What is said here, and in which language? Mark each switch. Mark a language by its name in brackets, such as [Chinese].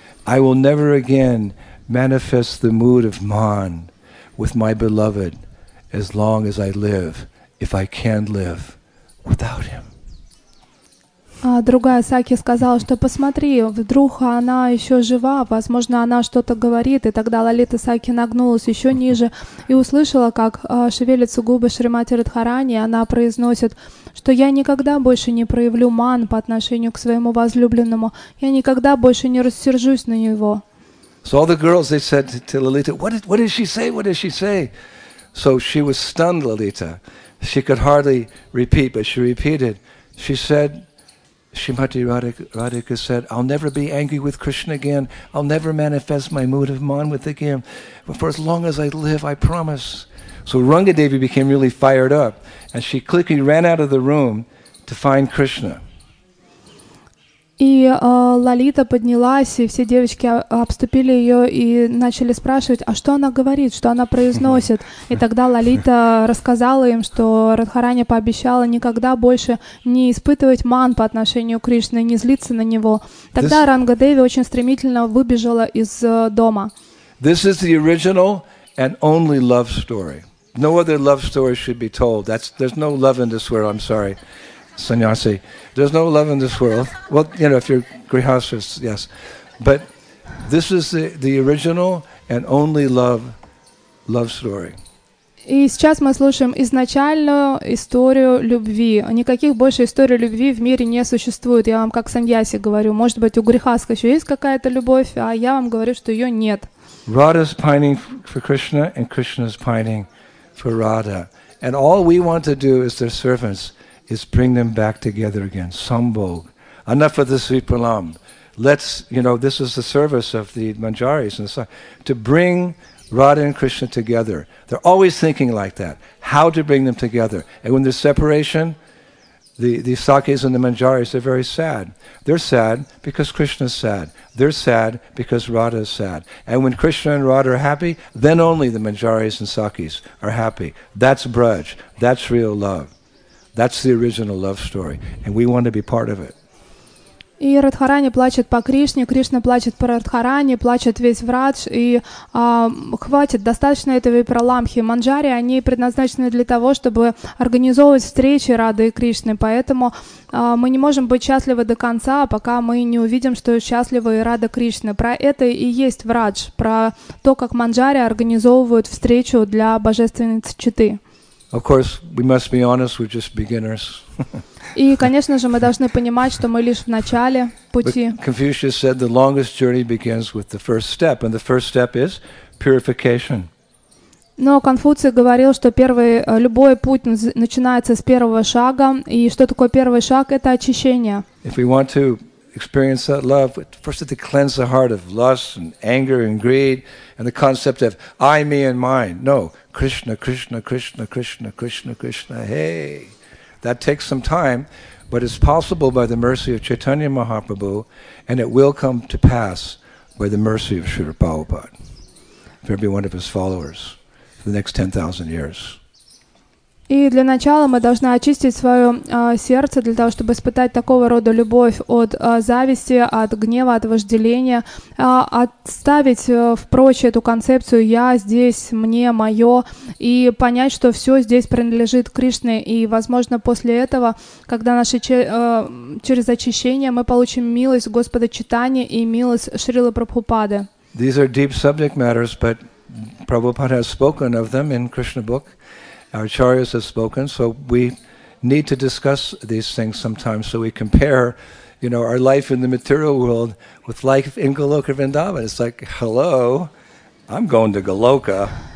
[English] I will never again manifest the mood of man with my beloved as long as I live, if I can live without him." [Russian] Другая Саки сказала, что посмотри, вдруг она еще жива, возможно, она что-то говорит. И тогда Лалита Саки нагнулась еще ниже и услышала, как шевелятся губы Шримати Радхарани, и она произносит, что «я никогда больше не проявлю ман по отношению к своему возлюбленному, я никогда больше не рассержусь на него». [English] So all the girls, they said to Lalita, what did she say? So she was stunned, Lalita. She could hardly repeat, but she repeated. She said, Shrimati Radhika said, "I'll never be angry with Krishna again. I'll never manifest my mood of man with again. But for as long as I live, I promise." So Ranga Devi became really fired up, and she quickly ran out of the room to find Krishna. [Russian] И Лалита поднялась, и все девочки обступили ее и начали спрашивать, а что она говорит, что она произносит. И тогда Лалита рассказала им, что Радхарани пообещала никогда больше не испытывать ман по отношению к Кришне, не злиться на него. Тогда Ранга Деви очень стремительно выбежала из дома. [English] This is the original and only love story. No other love story should be told. There's no love in this world, I'm sorry. Sannyasi. There's no love in this world. Well, you know, if you're grihasthas, yes. But this is the original and only love story. [Russian] И сейчас мы слушаем изначальную историю любви. Никаких больше историй любви в мире не существует. Я вам как Саньяси говорю. Может быть, у грихаска еще есть какая-то любовь, а я вам говорю, что ее нет. [English] Radha's pining for Krishna and Krishna's pining for Radha. And all we want to do is their servants. Is bring them back together again. Sambhog. Enough of the Sripalam. Let's, you know, this is the service of the Manjaris and so, to bring Radha and Krishna together. They're always thinking like that. How to bring them together. And when there's separation, the Sakyas and the Manjaris, they're very sad. They're sad because Krishna's sad. They're sad because Radha's sad. And when Krishna and Radha are happy, then only the Manjaris and Sakyas are happy. That's Braj. That's real love. That's the original love story, and we want to be part of it. [Russian] И Радхарани плачет по Кришне, Кришна плачет по Радхарани, плачет весь Врадж, и хватит, достаточно этого и про Ламхи. Манджари, они предназначены для того, чтобы организовывать встречи Рады и Кришны, поэтому мы не можем быть счастливы до конца, пока мы не увидим, что счастлива и Рада Кришна. Про это и есть Врадж, про то, как Манджари организовывают встречу для Божественной Читы. [English] Of course, we must be honest, we're just beginners. [Russian] И, конечно же, мы должны понимать, что мы лишь в начале пути. [English] Confucius said the longest journey begins with the first step, and the first step is purification. [Russian] Но Конфуций говорил, что первый любой путь начинается с первого шага, и что такое первый шаг? Это очищение. [English] If we want to experience that love, first we have to cleanse the heart of lust and anger and greed and the concept of I, me and mine. No, Krishna, Krishna, Krishna, Krishna, Krishna, Krishna, hey. That takes some time, but it's possible by the mercy of Chaitanya Mahaprabhu, and it will come to pass by the mercy of Srila Prabhupada, for every one of his followers for the next 10,000 years. [Russian] И для начала мы должны очистить свое сердце для того, чтобы испытать такого рода любовь от зависти, от гнева, от вожделения, отставить впрочь эту концепцию «я здесь, мне, мое», и понять, что все здесь принадлежит Кришне. И, возможно, после этого, когда через очищение, мы получим милость Господа Читания и милость Шрилы Прабхупады. [English] These are deep subject matters, but Prabhupada has spoken of them in Krishna book. Our acharyas have spoken, so we need to discuss these things sometimes so we compare, you know, our life in the material world with life in Goloka Vrindavan. It's like, hello, I'm going to Goloka.